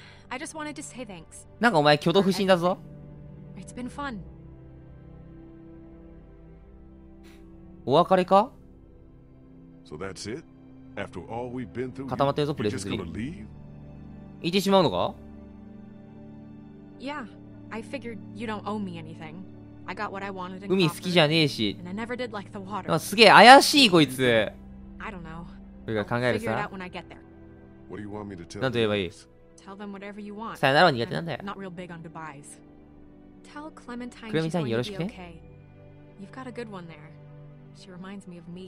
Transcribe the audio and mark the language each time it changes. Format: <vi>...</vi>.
<en>I just wanted to say thanks.</en> <ja>なんかお前挙動不審だぞ。</ja> <en>It's been fun.</en> <ja>お別れか？</ja> <en>So that's it? After all we've been through,</en> <ja>固まってるぞ、プレスリー。行ってしまうのか？</ja> <en>Yeah, I figured you don't owe me anything. I got what I wanted in Crawford,</en> <ja>海好きじゃねえし。</ja> <en>And I never did like the water.</en> <ja>あ、すげえ怪しいこいつ。</ja> <en>I don't know.</en> <ja>俺が考えるさ。何と言えばいい？</ja> <en>Tell them whatever you want.</en> <ja>さよならは苦手なんだよ。</ja> <en>I'm not real big on goodbyes. Tell Clementine she's going to be okay. You've got a good one there. She reminds me of me.</en>